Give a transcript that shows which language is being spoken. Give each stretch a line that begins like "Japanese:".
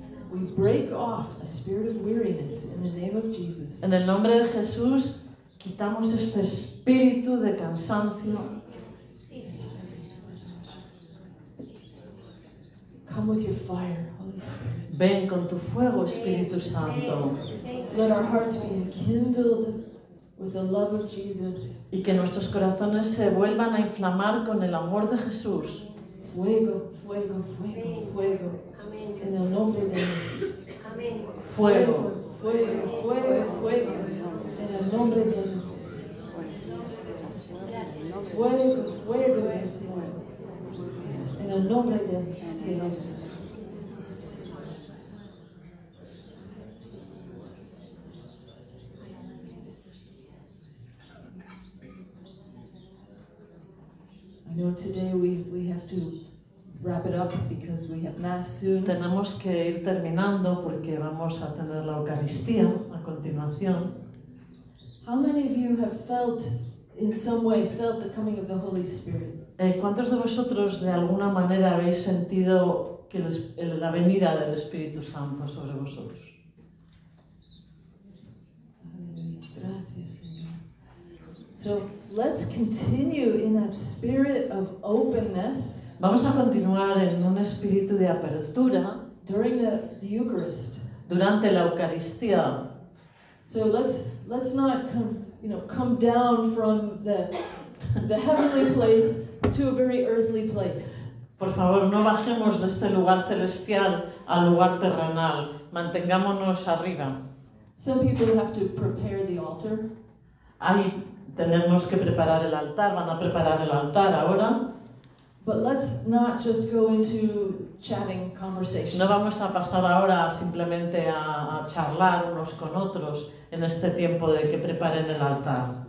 English: We break off a spirit of weariness in the name of Jesus.
Spanish: En el nombre de Jesús, quitamos este espíritu de cansancio.
English: Come with your fire, Holy Spirit.
Spanish: Ven con tu fuego, Espíritu Santo.
English: Let our hearts be kindled with the love of Jesus.
Spanish: Y que nuestros corazones se vuelvan a inflamar con el amor de Jesús. Fuego, fuego, fuego, fuego. En el nombre de Jesús. Amén. Fuego, fuego, fuego, fuego. En el nombre de Jesús. Fuego, fuego, fuego. En el nombre de Jesús.
English: You know, today we have to wrap it up because we have mass soon.
Spanish: Tenemos que ir terminando porque vamos a tener la Eucaristía a continuación.
English: How many of you have felt, in some way, felt the coming of the Holy Spirit?
Spanish: ¿Cuántos de vosotros de alguna manera habéis sentido que la venida del Espíritu Santo sobre vosotros? Gracias.
English: So let's continue in a spirit of openness.
Spanish: Vamos a continuar en un espíritu de apertura
English: during the Eucharist.
Spanish: Durante la Eucaristía.
English: So let's not come down from the heavenly place to a very earthly place.
Spanish: Por favor, no bajemos de este lugar celestial al lugar terrenal. Mantengámonos arriba.
English: Some people have to prepare the altar.
Spanish: Tenemos que preparar el altar, van a preparar el altar ahora.
English: But let's not just go into chatting conversation.
Spanish: No vamos a pasar ahora simplemente a charlar unos con otros en este tiempo de que preparen el altar.